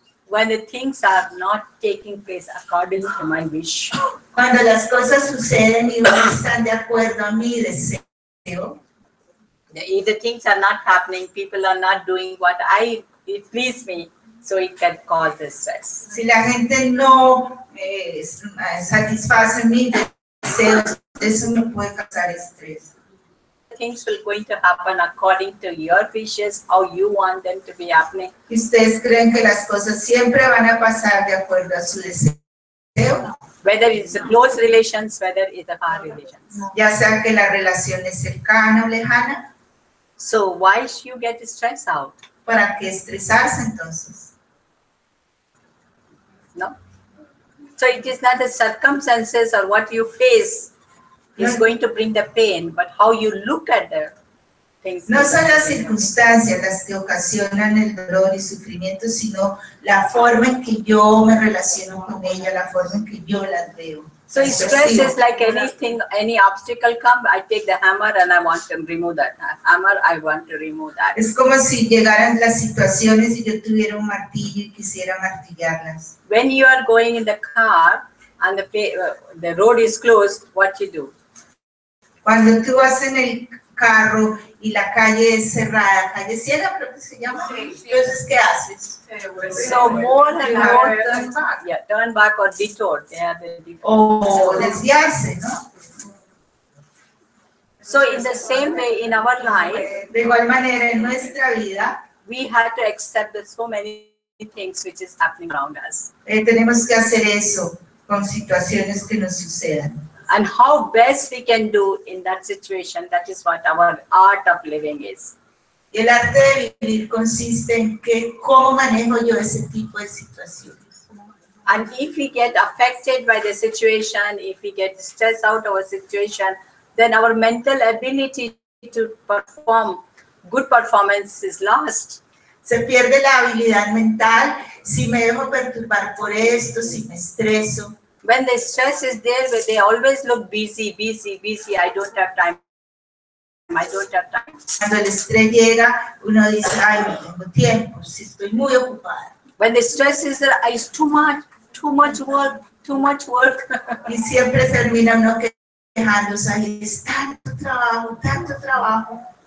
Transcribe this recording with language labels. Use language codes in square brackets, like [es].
[en] When the things are not taking place according to my wish. [es] Cuando las cosas suceden y no están de acuerdo a mi deseo. [en] If the things are not happening, people are not doing what I, it pleases me, so it can cause the stress. [es] Si la gente no satisface mi deseo, eso me puede causar estrés. [en] Things will going to happen according to your wishes, how you want them to be happening. [es] ¿Y ustedes creen que las cosas siempre van a pasar de acuerdo a su deseo? [en] Whether it's a close relations, whether it's a far relations. [es] Ya sea que la relación es cercana o lejana. [en] So why should you get stressed out? [es] ¿Para qué estresarse entonces? No. [en] So it is not the circumstances or what you face is going to bring the pain, but how you look at the things. [es] No son las circunstancias las que ocasionan el dolor y sufrimiento, sino la forma en que yo me relaciono con ella, la forma en que yo las veo. [en] So stress is like anything, any obstacle come, I take the hammer and I want to remove that. Hammer, I want to remove that. [es] Es como si llegaran las situaciones y yo tuviera un martillo y quisiera martillarlas. [en] When you are going in the car and the road is closed, what you do? [es] Cuando tú vas en el carro y la calle es cerrada, calle ciega, creo que se llama. Sí, sí. Entonces, ¿qué haces? [en] So more than that, turn back. Yeah, turn back or detour. Yeah, the detour. [es] Oh, desviarse, ¿no? [en] So in the same way in our life, [es] de igual manera en nuestra vida, [en] we have to accept that so many things which is happening around us. [es] Tenemos que hacer eso con situaciones que nos sucedan. [en] And how best we can do in that situation, that is what our art of living is. [es] Y el arte de vivir consiste en que cómo manejo yo ese tipo de situaciones. [en] And if we get affected by the situation, if we get stressed out of a situation, then our mental ability to perform good performance is lost. [es] Se pierde la habilidad mental si me dejo perturbar por esto, si me estreso. [en] When the stress is there, they always look busy, busy, busy. I don't have time. I don't have time. [es] Cuando el estrés llega, uno dice, ay, no tengo tiempo, si estoy muy ocupada. [en] When the stress is there, it's too much work. [es] Y siempre termina uno quejándose, ay, es tanto trabajo.